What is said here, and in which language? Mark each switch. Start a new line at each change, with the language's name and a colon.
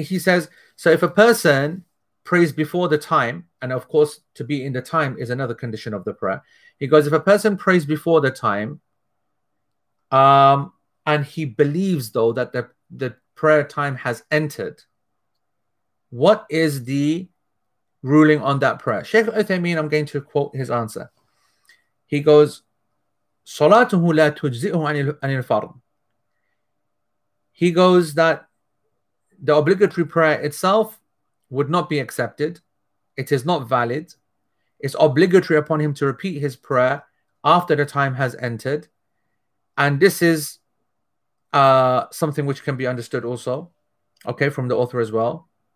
English: He says, so if a person prays before the time, and of course to be in the time is another condition of the prayer. He goes, if a person prays before the time, and he believes though that the prayer time has entered, what is the ruling on that prayer? Sheikh Uthaymeen, I'm going to quote his answer. He goes,
Arabic: صلاته لا تجزئه عن الفرض.
English: He goes that the obligatory prayer itself would not be accepted. It is not valid. It's obligatory upon him to repeat his prayer after the time has entered. And this is something which can be understood also, okay, from the author as well.